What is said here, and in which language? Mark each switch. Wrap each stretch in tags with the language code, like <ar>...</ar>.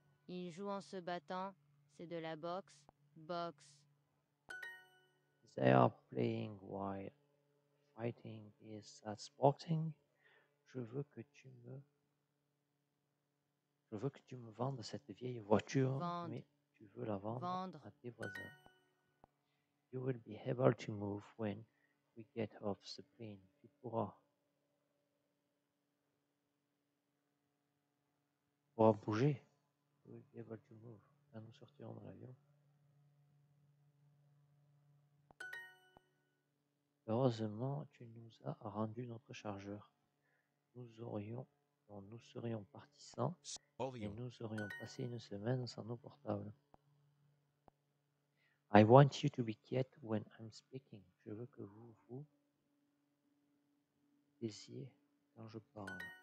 <fr>Il joue en se battant. C'est de la boxe. Boxe.</fr> <en>They are playing while fighting. Is that sporting?</en> <fr>Je veux que tu me vendes cette vieille voiture. Vendre. Mais tu veux la vendre à tes voisins.</fr> <en>You will be able to move when we get off the plane.</en> <fr>Tu pourras. Tu pourras bouger.</fr> <en>You will be able to move.</en> <fr>Quand nous sortirons de l'avion. Heureusement, tu nous as rendu notre chargeur. Nous serions partis sans et nous aurions passé une semaine sans nos portables.</fr> <en>I want you to be quiet when I'm speaking.</en> <fr>Je veux que vous taisiez quand je parle.</fr>